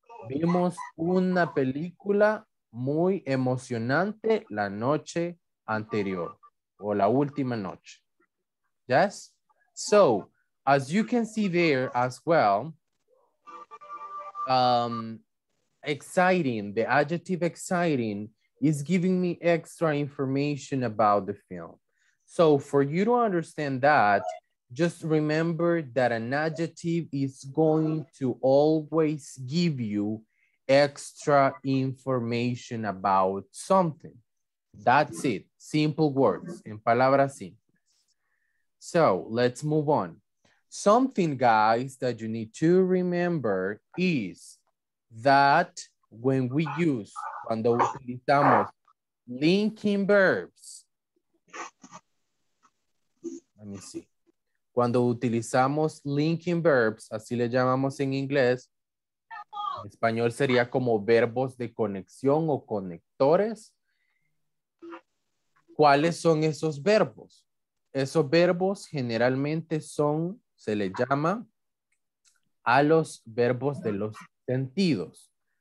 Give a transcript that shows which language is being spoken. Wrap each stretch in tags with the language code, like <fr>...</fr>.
<es>Vimos una película muy emocionante la noche anterior o la última noche.</es> <en>Yes? So, as you can see there as well, exciting, the adjective exciting is giving me extra information about the film. So for you to understand that, just remember that an adjective is going to always give you extra information about something. That's it, simple words,</en> <es>en palabras simples.</es> <en>So let's move on. Something, guys, that you need to remember is that when we use,</en> <es>cuando utilizamos</es> <en>linking verbs, let me see.</en> <es>Cuando utilizamos linking verbs, así le llamamos en inglés, en español sería como verbos de conexión o conectores. ¿Cuáles son esos verbos? Esos verbos generalmente son, se le llama a los verbos de los sentidos.</es>